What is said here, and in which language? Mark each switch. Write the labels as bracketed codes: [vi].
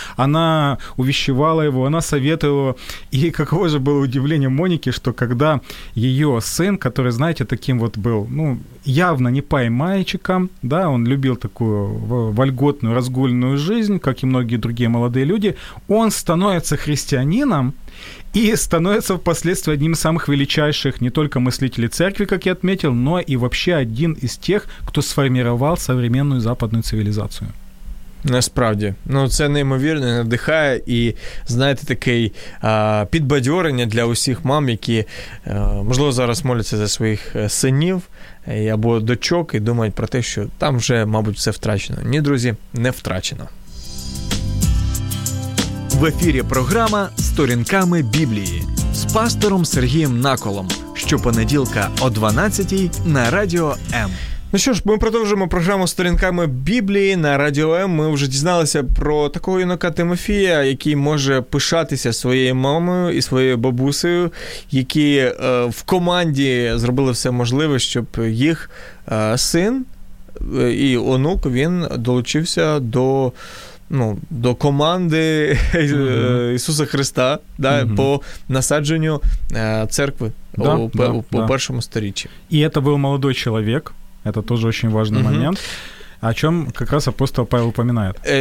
[ru] Она увещевала его, она советовала. И каково же было удивление Моники, что когда ее сын, который, знаете, таким вот был, ну, явно не пай мальчиком, да, он любил такую вольготную, разгульную жизнь, как и многие другие молодые люди, он становится христианином и становится впоследствии одним из самых величайших не только мыслителей церкви, как я отметил, но и вообще один из тех, кто сформировал современную западную цивилизацию. [uk] Насправді. Ну, це неймовірно, надихає і, знаєте, такий підбадьорення для усіх мам, які, можливо, зараз моляться за своїх синів або дочок і думають про те, що там вже, мабуть, все втрачено. Ні, друзі, не втрачено. В ефірі програма «Сторінками Біблії» з пастором Сергієм Наколом. Щопонеділка о 12:00 на Радіо М. Ну що ж, ми продовжуємо програму «Сторінками Біблії» на Радіо М. Ми вже дізналися про такого юнака Тимофія, який може пишатися своєю мамою і своєю бабусею, які в команді зробили все можливе, щоб їх син і онук, він долучився до, ну, до команди Ісуса Христа, да, по насадженню церкви у першому сторіччі. І це був молодий чоловік. [ru] Это тоже очень важный момент, о чем как раз апостол Павел упоминает.